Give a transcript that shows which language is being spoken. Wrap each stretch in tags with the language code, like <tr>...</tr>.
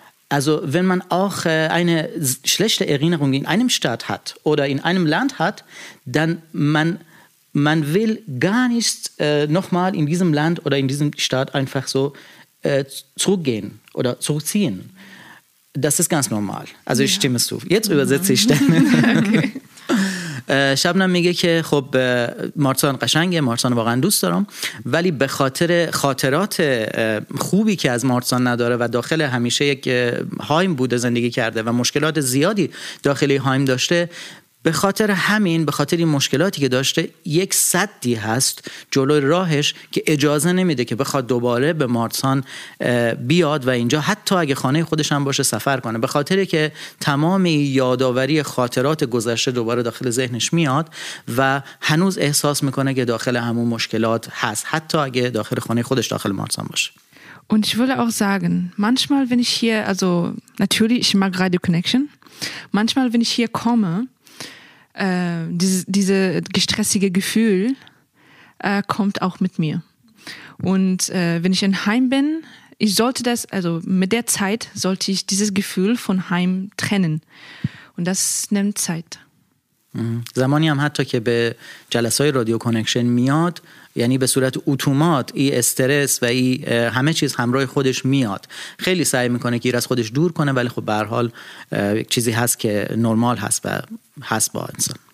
<de>Also wenn man auch eine schlechte Erinnerung in einem Stadt hat oder in einem Land hat, dann man will gar nicht nochmal in diesem Land oder in diesem Stadt einfach so zurückgehen oder zurückziehen. Das ist ganz normal. Also ich stimme zu. Jetzt übersetze ich dann. Okay.</de> <fa>شبنم میگه که خب مارتان قشنگه، مارتان واقعا دوست دارم، ولی به خاطر خاطرات خوبی که از مارتان نداره و داخل همیشه یک هایم بوده زندگی کرده و مشکلات زیادی داخلی هایم داشته، به خاطر همین، به خاطر این مشکلاتی که داشته، یک سدی هست جلوی راهش که اجازه نمیده که بخواد دوباره به مارتان بیاد و اینجا حتی اگه خانه خودش هم باشه سفر کنه، به خاطر که تمام یاداوری خاطرات گذشته دوباره داخل ذهنش میاد و هنوز احساس میکنه که داخل همون مشکلات هست حتی اگه داخل خانه خودش داخل مارتان باشه.</fa> <de>Und ich würde auch sagen, manchmal wenn ich hier, also natürlich ich mag Radio Connection, manchmal wenn ich hier komme, diese gestressige Gefühl kommt auch mit mir. Und wenn ich in Heim bin, ich sollte das, also mit der Zeit sollte ich dieses Gefühl von Heim trennen. Und das nimmt Zeit.</de> <fa>زمانی هم حتی که به جلسای رادیو کانکشن میاد، یعنی به صورت اتومات ای استرس و ای همه چیز همراه خودش میاد، خیلی سعی میکنه که ایر از خودش دور کنه، ولی خب به هر حال یک چیزی هست که نرمال هست و هست با انسان.</fa>